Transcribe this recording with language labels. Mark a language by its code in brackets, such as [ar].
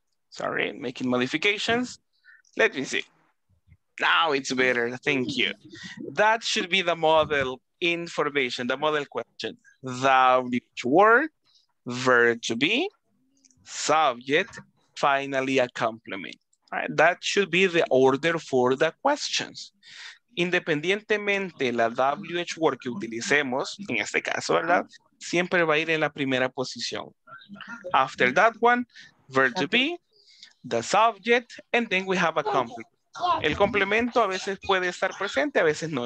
[en] Sorry, making modifications. Let me see. Now it's better, thank you. That should be the model information, the model question. The word, verb to be, subject, finally a complement. Right? That should be the order for the questions. [es] Independientemente la WH word que utilicemos, en este caso, ¿verdad? Siempre va a ir en la primera posición. [en] After that one, verb to be, the subject, and then we have a complement. [es] El complemento a veces puede estar presente, a veces no.